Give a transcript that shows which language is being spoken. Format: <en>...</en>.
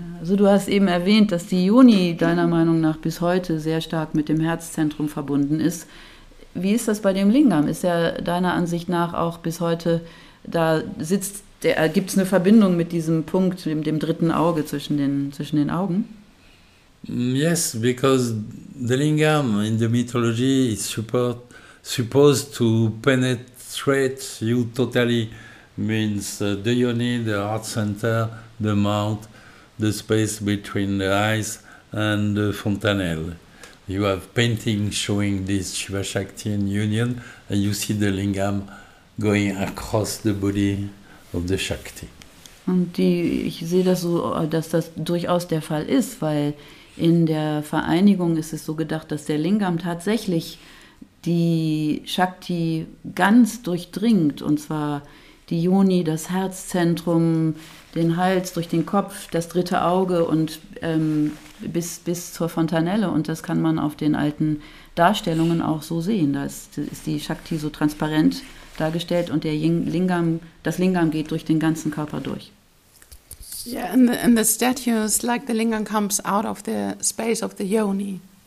<de>Also du hast eben erwähnt, dass die Yoni deiner Meinung nach bis heute sehr stark mit dem Herzzentrum verbunden ist. Wie ist das bei dem Lingam? Ist er deiner Ansicht nach auch bis heute, da sitzt der, gibt es eine Verbindung mit diesem Punkt, dem dritten Auge zwischen den Augen?</de> <en>Yes, because the Lingam in the mythology is supposed to penetrate you totally. Means the yoni, the heart center, the mouth, the space between the eyes and the fontanelle. You have paintings showing this Shiva Shakti and union, and you see the lingam going across the body of the Shakti.</en> <de>Und die, ich sehe das so, dass das durchaus der Fall ist, weil in der Vereinigung ist es so gedacht, dass der Lingam tatsächlich die Shakti ganz durchdringt, und zwar die Yoni, das Herzzentrum, den Hals, durch den Kopf, das dritte Auge und bis zur Fontanelle. Und das kann man auf den alten Darstellungen auch so sehen. Da ist die Shakti so transparent dargestellt und das Lingam geht durch den ganzen Körper durch.</de> <en>Yeah, and the statues, like the Lingam comes out of the space of the Yoni.</en>